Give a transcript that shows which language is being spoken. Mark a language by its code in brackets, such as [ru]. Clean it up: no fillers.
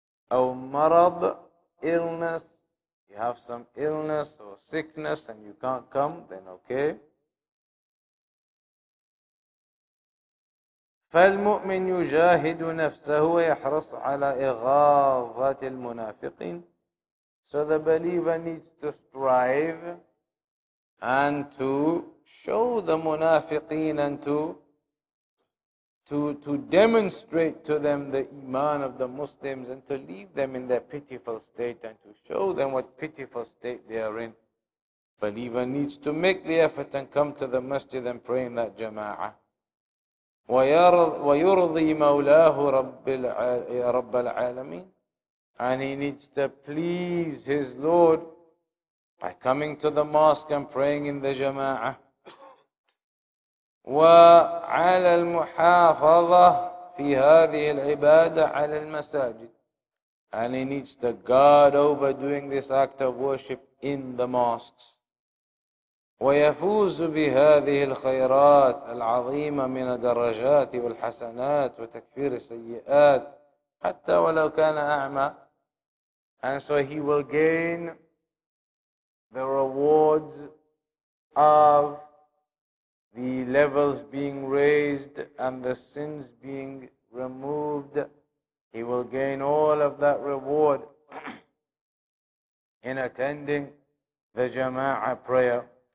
[ar] أو مرض, [en] illness, you have some illness or sickness and you can't come, then okay. [ar] فالمؤمن يجاهد نفسه ويحرص على إغاظة المنافقين. [en] So the believer needs to strive and to show the منافقين and to demonstrate to them the iman of the Muslims and to leave them in their pitiful state and to show them what pitiful state they are in. Believer needs to make the effort and come to the masjid and pray in that jama'ah. [ar] وَيُرْضِي مَوْلَاهُ رَبَّ الْعَالَمِينَ. [en] And he needs to please his Lord by coming to the mosque and praying in the jama'ah. [ar] وعلى المحافظة في هذه العبادة على المساجد. [en] And he needs to guard over doing this act of worship in the mosques. [ar] ويفوز بهذه الخيرات العظيمة من الدرجات والحسنات وتكفير السيئات حتى ولو كان أعمى. [en] And so he will gain the rewards of the levels being raised and the sins being removed. He will gain all of that reward in attending the jama'ah prayer.